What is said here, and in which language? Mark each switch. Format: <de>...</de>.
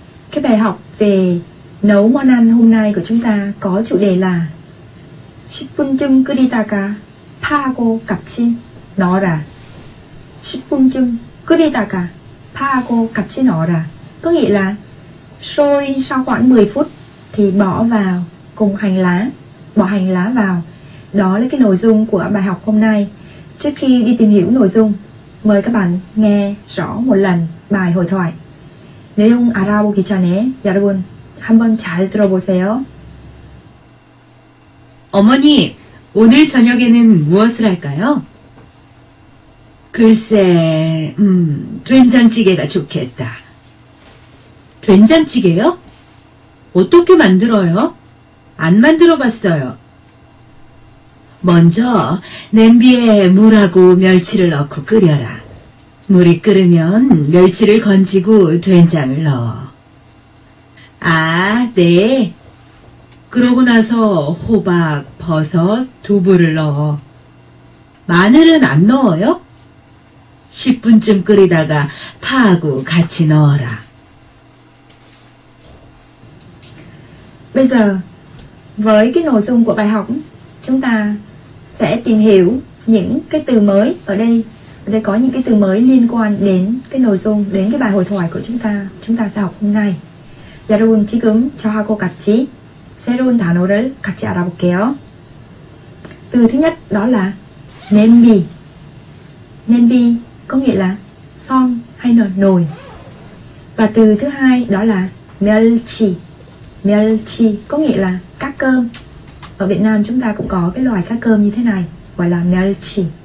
<vi>Cái bài học về nấu món ăn hôm nay của chúng ta có chủ đề là</vi> <ko>10분 중 끓이다가 파하고 갇힌 넣어라. 10분 중 끓이다가 파하고 갇힌 넣어라.</ko> <vi>Có nghĩa là sôi sau khoảng 10 phút thì bỏ vào cùng hành lá, bỏ hành lá vào. Đó là cái nội dung của bài học hôm nay. Trước khi đi tìm hiểu nội dung, mời các bạn nghe rõ một lần bài hội thoại.</vi> <ko>내용 알아보기 전에 여러분 한번 잘 들어보세요. 어머니, 오늘 저녁에는 무엇을 할까요? 글쎄, 된장찌개가 좋겠다. 된장찌개요? 어떻게 만들어요? 안 만들어 봤어요. 먼저 냄비에 물하고 멸치를 넣고 끓여라. 물이 끓으면 멸치를 건지고 된장을 넣어. 아, 네. 그러고 나서 호박, 버섯, 두부를 넣어. 마늘은 안 넣어요? 10분쯤 끓이다가 파하고 같이 넣어라.</ko> <vi>Bây giờ, với cái nội dung của bài học, chúng ta sẽ tìm hiểu những cái từ mới ở đây. Ở đây có những cái từ mới liên quan đến cái nội dung, đến cái bài hội thoại của chúng ta sẽ học hôm nay.</vi> <ko>여러분, 지금 저하고 같이 새로운 단어를 같이 알아볼게요.</ko> <vi>Từ thứ nhất đó là 냄비. 냄비 có nghĩa là son hay là nồi. Và từ thứ hai đó là 멸치. 멸치 có nghĩa là cá cơm. Ở Việt Nam chúng ta cũng có cái loại cá cơm như thế này, gọi là 멸치.</vi>